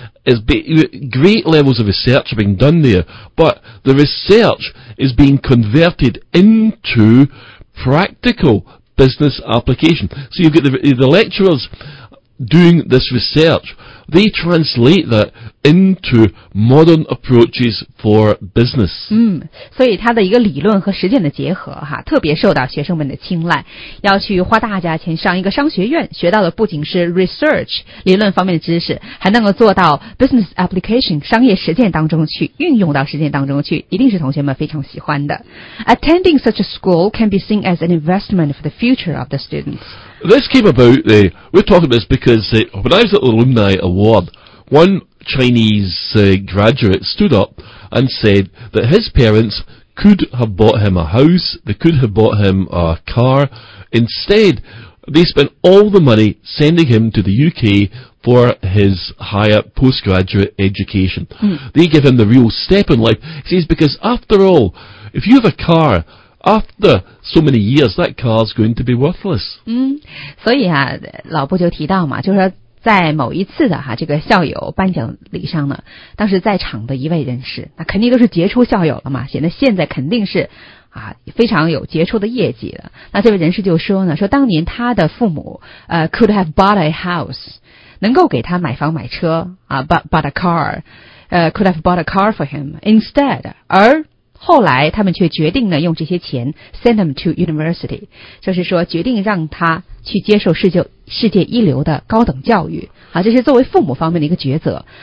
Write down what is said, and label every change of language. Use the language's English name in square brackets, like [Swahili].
[English] is great levels of research are being done there, but the research is being converted into practical business application. So you've got the lecturers doing this research. They translate that into modern approaches for business. [Chinese] 嗯，所以它的一个理论和实践的结合哈，特别受到学生们的青睐。要去花大价钱上一个商学院，学到的不仅是 research 理论方面的知识，还能够做到 business application 商业实践当中去，运用到实践当中去，一定是同学们非常喜欢的。 [English] Attending such a school can be seen as an investment for the future of the students. This came about, we're talking about this because when I was at the alumni award, one Chinese graduate stood up and said that his parents could have bought him a house, they could have bought him a car. Instead, they spent all the money sending him to the UK for his higher postgraduate education. They give him the real step in life. He says, because after all, if you have a car, after so many years, that car is going to be worthless. [Chinese] 所以啊，老布就提到嘛，就是说在某一次的哈这个校友颁奖礼上呢，当时在场的一位人士，那肯定都是杰出校友了嘛，显得现在肯定是啊非常有杰出的业绩了。那这位人士就说呢，说当年他的父母 could have bought a house，能够给他买房买车啊 ， bought a car， could have bought a car for him instead，而后来他们却决定呢用这些钱 send him to university，就是说决定让他去接受世界一流的高等教育啊，这是作为父母方面的一个抉择。